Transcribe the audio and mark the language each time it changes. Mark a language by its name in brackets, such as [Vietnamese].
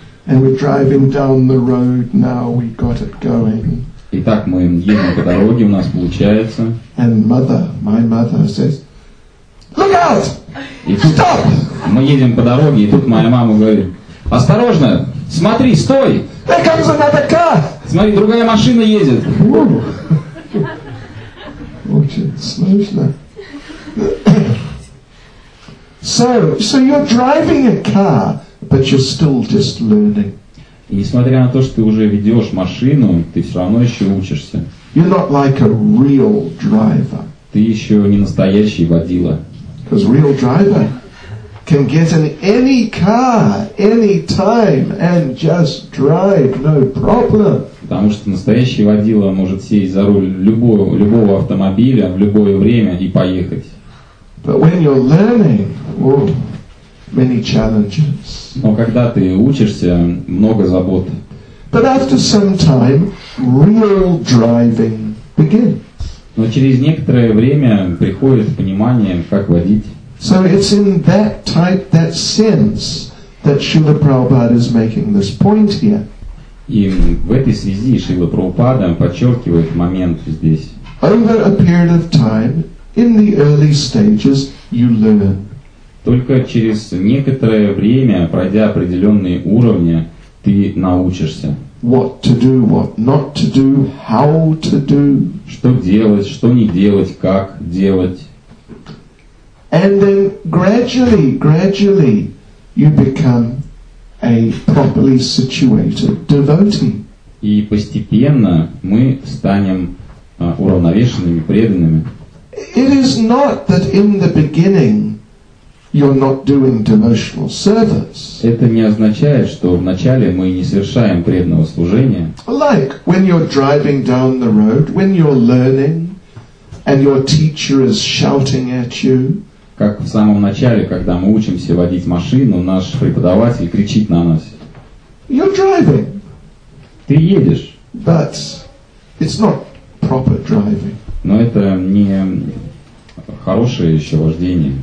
[English] And we're driving down the road now, we got it going. [Russian] Итак, мы едем по дороге, у нас получается. [English] And mother, my mother says, look out! Stop! [Russian] Мы едем по дороге, и тут моя мама говорит, осторожно, смотри, стой! [English] There comes another car! [Russian] Смотри, другая машина едет. Очень смешно. [English] So you're driving a car, but you're still just learning. [Russian] И несмотря на то, что ты уже ведешь машину, ты все равно еще учишься. [English] You're not like a real driver. [Russian] Ты еще не настоящий водила. [English] Because real driver can get in any car, any time, and just drive, no problem. [Russian] Потому что настоящий водила может сесть за руль любого автомобиля в любое время и поехать. [English] But when you're learning, many challenges. [Russian] Но когда ты учишься, много забот. [English] But after some time, real driving begins. [Russian] Но через некоторое время приходит понимание, как водить. [English] So it's in that type, that sense, that Srila Prabhupada is making this point here. [Russian] И в этой связи Шрила Прабхупада подчеркивает момент здесь. [English] Over a period of time, in the early stages, you learn. [Russian] Только через некоторое время, пройдя определенные уровни, ты научишься. [English] What to do, what not to do, how to do. [Russian] Что делать, что не делать, как делать. [English] And then gradually, you become a properly situated devotee. [Russian] И постепенно мы станем уравновешенными преданными. [English] It is not that in the beginning you're not doing devotional service. [Russian] Это не означает, что вначале мы не совершаем преданного служения. [English] Like when you're driving down the road, when you're learning, and your teacher is shouting at you. [Russian] Как в самом начале, когда мы учимся водить машину, наш преподаватель кричит на нас. [English] You're driving. [Russian] Ты едешь. [English] But it's not proper driving. [Russian] Но это не хорошее еще вождение.